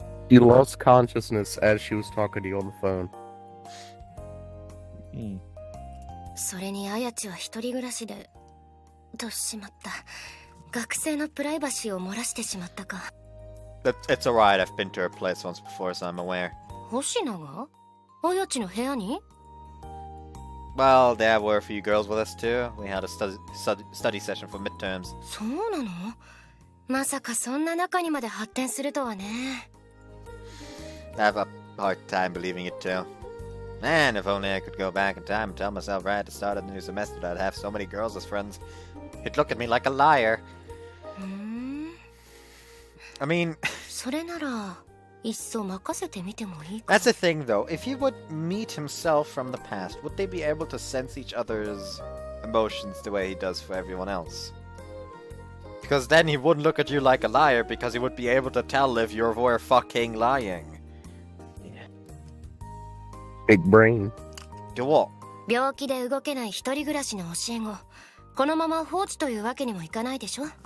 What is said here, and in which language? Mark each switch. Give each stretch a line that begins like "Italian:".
English: She lost consciousness as she was talking to you on the phone.
Japanese: それにあやちは一人暮らしで、どうしまった。学生のプライバシーを漏らしてしまったか。
English: It's alright, I've been to her place once before, so I'm aware.
Japanese: 星野が?あやちの部屋に?
English: Well, there were a few girls with us too. We had a study session for midterms.
Japanese: そうなの? まさかそんな中にまで発展するとはね。
English: I have a hard time believing it too. Man, if only I could go back in time and tell myself right at the start of the new semester that I'd have so many girls as friends. You'd look at me like a liar. I mean... That's the thing though, if he would meet himself from the past, would they be able to sense each other's emotions the way he does for everyone else? Because then he wouldn't look at you like a liar, because he would be able to tell if you were fucking lying. Big brain. Do what?
Japanese: 病気で動けない一人暮らしの教え子、このまま放置というわけにもいかないでしょ?